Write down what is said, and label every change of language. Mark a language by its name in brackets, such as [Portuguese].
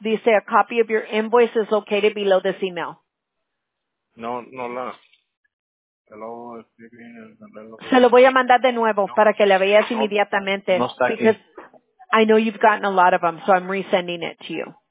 [Spanish] Dice, [English] a copy of your invoice is located below this email. [Spanish] No, no la. Hello, estoy bien. Se lo voy a mandar de nuevo para que le veas inmediatamente. No está aquí. [English] Because I know you've gotten a lot of them, so I'm resending it to you.